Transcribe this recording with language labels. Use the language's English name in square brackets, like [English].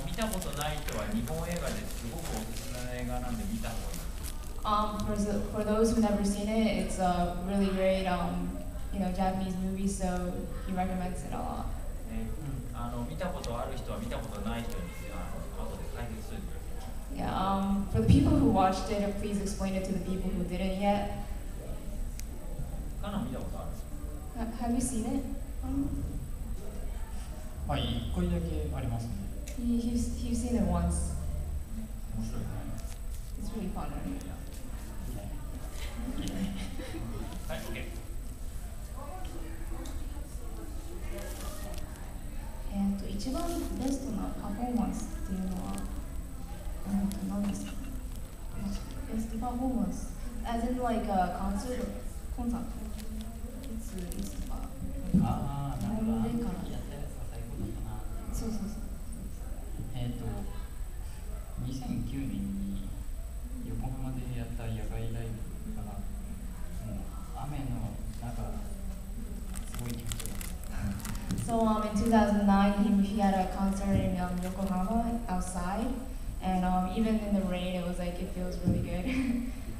[Japanese] 見たことない人は日本映画ですごくおすすめの映画なんで見た方がいい。 [English] For those who've never seen it, it's a really great, you know, Japanese movie, so he recommends it a lot. [Japanese] 見たことある人は見たことない人に後で解説する。 [English] Yeah, for the people who watched it, please explain it to the people who didn't yet. [Japanese] カナ見たことある？ [English] Have you seen it? [Japanese] はい、1回だけありますね。 [English] He's seen it once. [Japanese] 面白いね。 [English] It's really fun, right? [Japanese] いいね。はい、OK。一番ベストなパフォーマンスっていうのは、何ですか？ベストパフォーマンス。 [English] As in like a concert? コンサート。 [Japanese] 2009年に横浜でやった野外ライブかな。もう雨の中すごい気持ちだった。 [English] So in 2009 he had a concert in Yokohama outside and even in the rain it was like it feels really good.